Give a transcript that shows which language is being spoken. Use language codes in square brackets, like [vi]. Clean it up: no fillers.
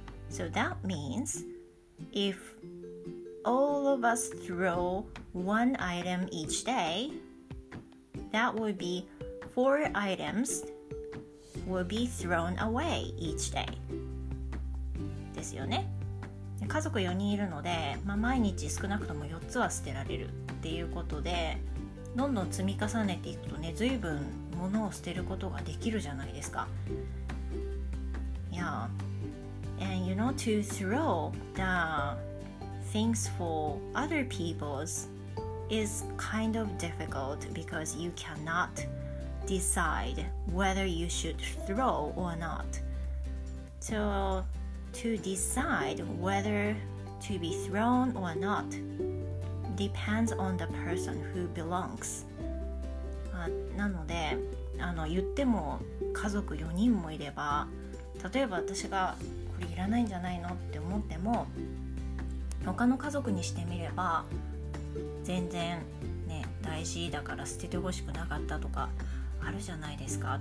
[en] So that means if all of us throw one item each day, that would be four items will be thrown away each day. [ja] ですよね。家族4人いるので、まあ、毎日少なくとも4つは捨てられるっていうことで、どんどん積み重ねていくとね、随分物を捨てることができるじゃないですか。 [en] Yeah. And you know, to throw the things for other people's is kind of difficult because you cannot decide whether you should throw or not. So to decide whether to be thrown or notdepends on the person who belongs. [ja] なので言っても家族4人もいれば、例えば私がこれいらないんじゃないのって思っても、他の家族にしてみれば全然ね、大事だから捨ててほしくなかったとかあるじゃないですか。